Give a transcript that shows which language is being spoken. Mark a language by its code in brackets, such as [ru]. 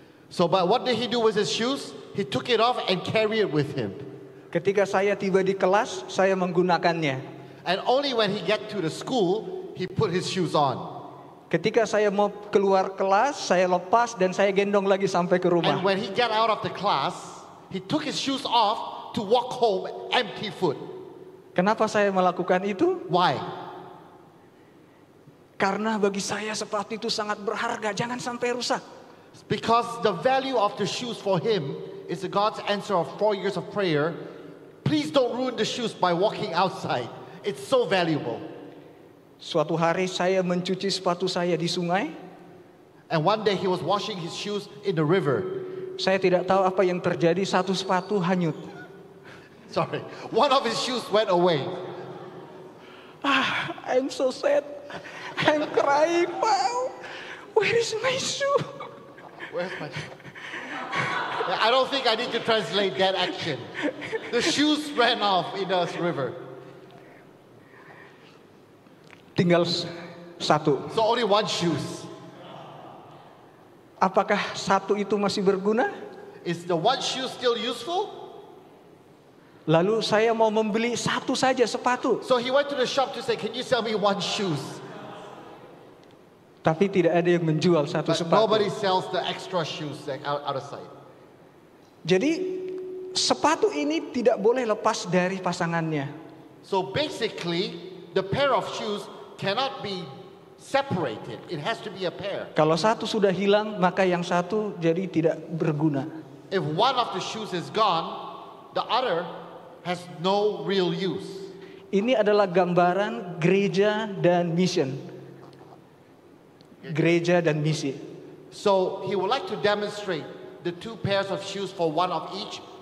[en] So, but what did he do with his shoes? He took it off and carried it with him. [id] Ketika saya tiba di kelas, saya menggunakannya. [en] And only when he get to the school, he put his shoes on. [id] Ketika saya mau keluar kelas, saya lepas dan saya gendong lagi sampai ke rumah. [en] And when he get out of the class, he took his shoes off to walk home empty foot. [id] Kenapa saya melakukan itu? [en] Why? [id] Karena bagi saya sepatu itu sangat berharga, jangan sampai rusak. [en] Because the value of the shoes for him is God's answer of 4 years of prayer. Please don't ruin the shoes by walking outside. It's so valuable. [id] Suatu hari saya mencuci sepatu saya di sungai. [en] And one day he was washing his shoes in the river. [id] Saya tidak tahu apa yang terjadi, satu sepatu hanyut. [en] Sorry, one of his shoes went away. Ah, I'm so sad. I'm crying, Pao. Where is my shoe? Where's my shoe? I don't think I need to translate that action. The shoes ran off in the river. [id] Tinggal satu. [en] So only one shoes. [id] Apakah satu itu masih berguna? [en] Is the one shoe still useful? [id] Lalu saya mau membeli satu saja sepatu. [en] So he went to the shop to say, can you sell me one shoes? [id] Tapi tidak ada yang menjual satu [en] But [id] sepatu. [en] Nobody sells the extra shoes out of sight. [id] Jadi sepatu ini tidak boleh lepas dari pasangannya. [en] So basically, the pair of shoes cannot be separated. It has to be a pair. [id] Kalau satu sudah hilang, maka yang satu jadi tidak berguna. [en] If one of the shoes is gone, the other has no real use. [id] Ini adalah gambaran gereja dan mission. Gereja dan misi. [en] So he would like to demonstrate the two pairs of shoes for one of each.